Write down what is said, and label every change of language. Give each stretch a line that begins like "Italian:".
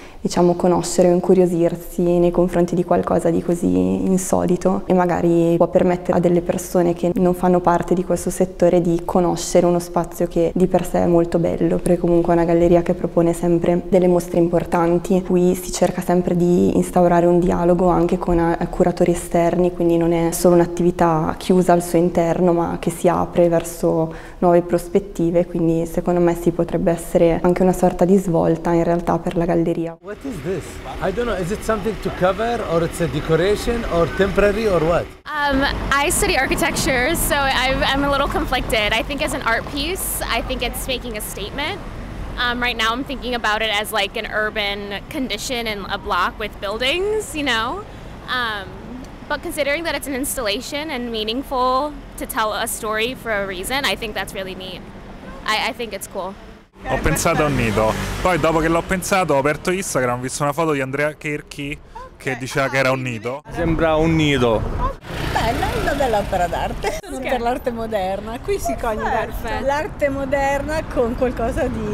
Italian: diciamo, conoscere o incuriosirsi nei confronti di qualcosa di così insolito, e magari può permettere a delle persone che non fanno parte di questo settore di conoscere uno spazio che di per sé è molto bello, perché comunque è una galleria che propone sempre delle mostre importanti, qui si cerca sempre di instaurare un dialogo anche con curatori esterni, quindi non è solo un'attività chiusa al suo interno, ma che si apre verso nuove prospettive, quindi secondo me si potrebbe essere anche una sorta di svolta in realtà per la galleria.
English: What is this? I don't know. Is it something to cover, or it's a decoration, or temporary, or what? I study architecture, so I'm a little conflicted. I think as an art piece, I think it's making a statement. Right now I'm thinking about it as like an urban condition and a block with buildings, you know? But considering that it's an installation and meaningful to tell a story for a reason, I think that's really neat. I think it's cool.
Italian: Ho pensato a un nido, poi dopo che l'ho pensato ho aperto Instagram, ho visto una foto di Andrea Kirchi che diceva che era un nido. Sembra un nido. Bella, una bell'opera d'arte. Okay. Per l'arte moderna, qui si coniuga l'arte moderna con qualcosa